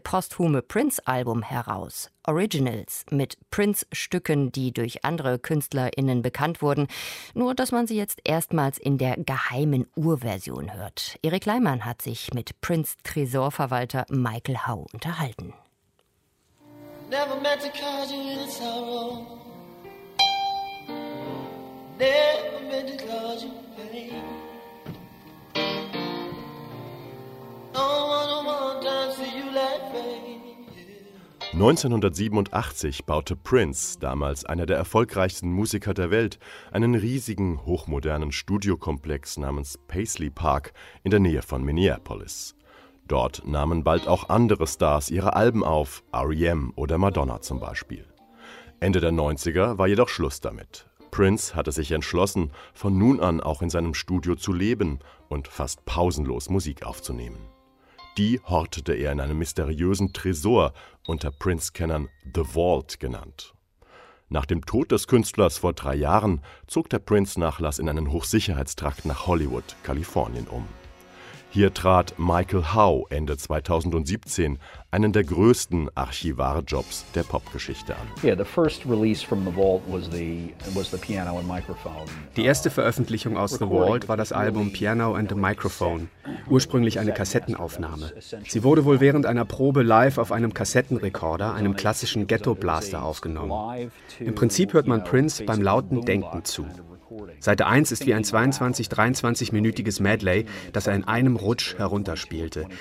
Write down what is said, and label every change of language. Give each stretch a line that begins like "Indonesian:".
German: posthume Prince-Album heraus. Originals mit Prince-Stücken, die durch andere KünstlerInnen bekannt wurden. Nur, dass man sie jetzt erstmals in der geheimen Urversion hört. Erik Leimann hat sich mit Prince-Tresorverwalter Michael Howe unterhalten.
English: Never meant to cause you any sorrow. Never meant to cause you pain. No one wants to see you like pain.
German: 1987 baute Prince, damals einer der erfolgreichsten Musiker der Welt, einen riesigen, hochmodernen Studiokomplex namens Paisley Park in der Nähe von Minneapolis. Dort nahmen bald auch andere Stars ihre Alben auf, R.E.M. oder Madonna zum Beispiel. Ende der 90er war jedoch Schluss damit. Prince hatte sich entschlossen, von nun an auch in seinem Studio zu leben und fast pausenlos Musik aufzunehmen. Die hortete er in einem mysteriösen Tresor, unter Prince-Kennern The Vault genannt. Nach dem Tod des Künstlers vor 3 Jahren zog der Prince-Nachlass in einen Hochsicherheitstrakt nach Hollywood, Kalifornien um. Hier trat Michael Howe Ende 2017 einen der größten Archivarjobs der Popgeschichte an.
English: Yeah, the first release from The Vault was the Piano and Microphone.
German: Die erste Veröffentlichung aus The Vault war das Album Piano and the Microphone, ursprünglich eine Kassettenaufnahme. Sie wurde wohl während einer Probe live auf einem Kassettenrekorder, einem klassischen Ghetto-Blaster, aufgenommen. Im Prinzip hört man Prince beim lauten Denken zu. Seite 1 ist wie ein 22-23-minütiges Medley, das er in einem Rutsch herunterspielte.